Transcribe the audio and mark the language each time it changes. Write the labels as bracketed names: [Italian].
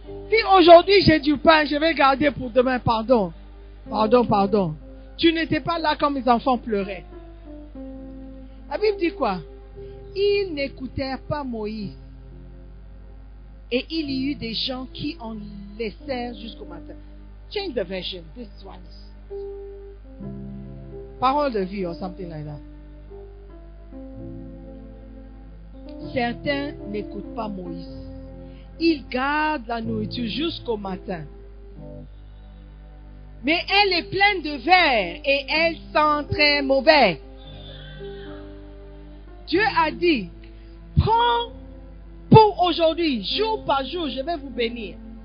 [French] Si aujourd'hui j'ai du pain, je vais garder pour demain. Pardon. Pardon, pardon. Tu n'étais pas là quand mes enfants pleuraient. La Bible dit quoi? Ils n'écoutèrent pas Moïse. Et il y eut des gens qui en laissèrent jusqu'au matin. [English] Change the version. This one. Parole de vie or something like that. [French] Certains n'écoutent pas Moïse. Ils gardent la nourriture jusqu'au matin. Mais elle est pleine de vers et elle sent très mauvais. Dieu a dit, prends pour aujourd'hui, jour par jour, je vais vous bénir.